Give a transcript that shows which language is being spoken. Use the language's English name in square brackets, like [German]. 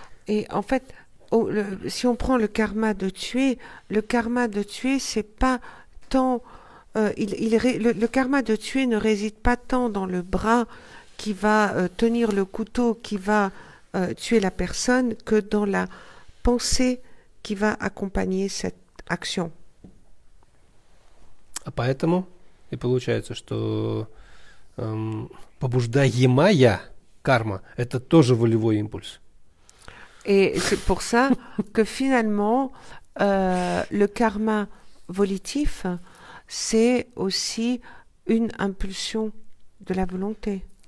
[French] Et en fait, si on prend le karma de tuer, le karma de tuer, c'est pas tant. Le karma de tuer ne réside pas tant dans le bras qui va tenir le couteau, qui va tuer la personne, que dans la pensée qui va accompagner cette action. [Russian] А поэтому и получается, что побуждаемая карма – это тоже волевой импульс. [French] Et c'est pour ça que finalement, le karma volitif, c'est aussi une impulsion de la volonté.